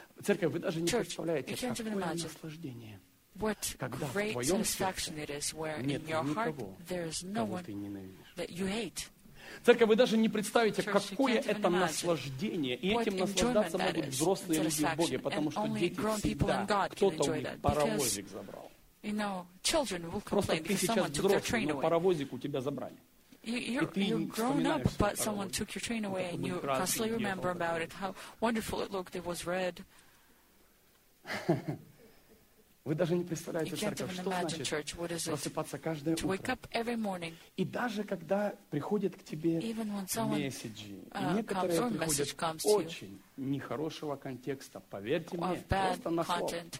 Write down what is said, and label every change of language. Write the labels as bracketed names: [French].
[Russian] Церковь, вы даже не представляете, какое наслаждение. [English] What great satisfaction it is where in your heart there is no one that you hate. [Russian] Церковь, вы даже не представите, какое это наслаждение. И этим наслаждаться могут взрослые люди в Боге, потому что дети всегда, кто-то у них паровозик забрал. [English] You know, children will complain because someone took their train away. [Russian] Просто ты сейчас паровозик у тебя забрали. [English] You're grown up, but someone took your train away, and you constantly remember about it. How wonderful it looked. It was red. [Russian] Вы даже не представляете, церковь, что значит [English] church, [Russian] просыпаться каждое утро. И даже когда приходят к тебе месседжи, некоторые приходят очень нехорошего контекста, поверьте мне, просто на слово.